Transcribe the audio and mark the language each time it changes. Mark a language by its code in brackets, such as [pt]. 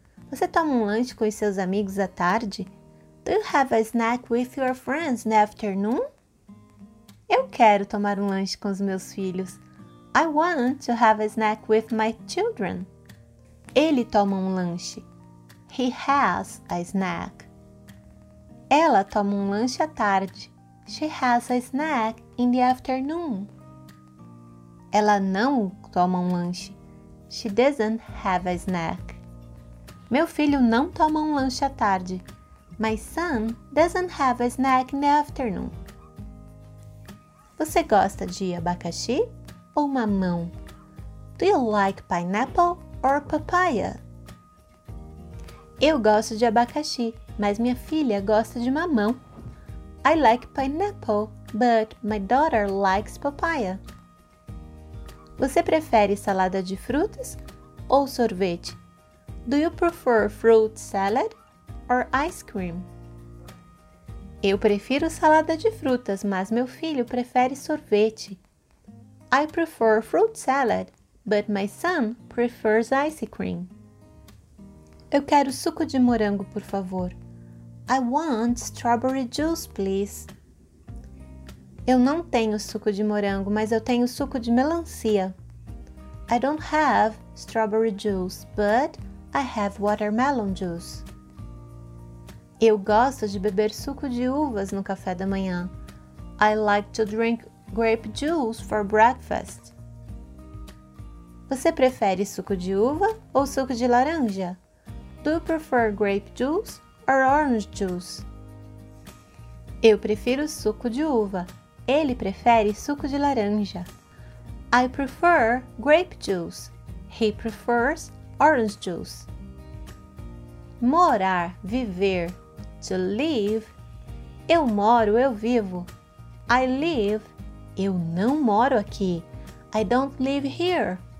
[pt] Você toma um lanche com os seus amigos à tarde? [en] Do you have a snack with your friends in the afternoon? [pt] Eu quero tomar um lanche com os meus filhos. [en] I want to have a snack with my children. [pt] Ele toma um lanche. [en] He has a snack. [pt] Ela toma um lanche à tarde. [en] She has a snack in the afternoon. [pt] Ela não toma um lanche. [en] She doesn't have a snack. [pt] Meu filho não toma um lanche à tarde. [en] My son doesn't have a snack in the afternoon. [pt] Você gosta de abacaxi? Ou mamão? [en] Do you like pineapple or papaya? [pt] Eu gosto de abacaxi, mas minha filha gosta de mamão. [en] I like pineapple, but my daughter likes papaya. [pt] Você prefere salada de frutas ou sorvete? [en] Do you prefer fruit salad or ice cream? [pt] Eu prefiro salada de frutas, mas meu filho prefere sorvete. [en] I prefer fruit salad, but my son prefers ice cream. [pt] Eu quero suco de morango, por favor. [en] I want strawberry juice, please. [pt] Eu não tenho suco de morango, mas eu tenho suco de melancia. [en] I don't have strawberry juice, but I have watermelon juice. [pt] Eu gosto de beber suco de uvas no café da manhã. [en] I like to drink grape juice for breakfast. [pt] Você prefere suco de uva ou suco de laranja? [en] Do you prefer grape juice or orange juice? [pt] Eu prefiro suco de uva. Ele prefere suco de laranja. [en] I prefer grape juice. He prefers orange juice. [pt] Morar, viver. [en] To live. [pt] Eu moro, eu vivo. [en] I live. [pt] Eu não moro aqui. [en] I don't live here.